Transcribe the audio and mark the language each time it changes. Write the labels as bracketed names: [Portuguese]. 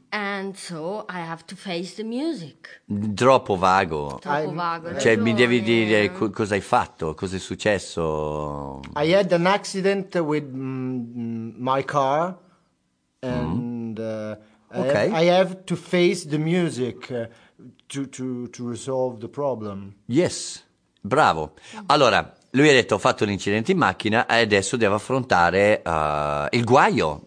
[English] And so I have to face the music. [Italian] Troppo vago. Cioè, mi devi dire cosa hai fatto, cosa è successo. [English] I had an accident with my car and I have to face the music to resolve the problem. Yes. Bravo. [Italian] Allora, lui ha detto, ho fatto un incidente in macchina e adesso devo affrontare il guaio.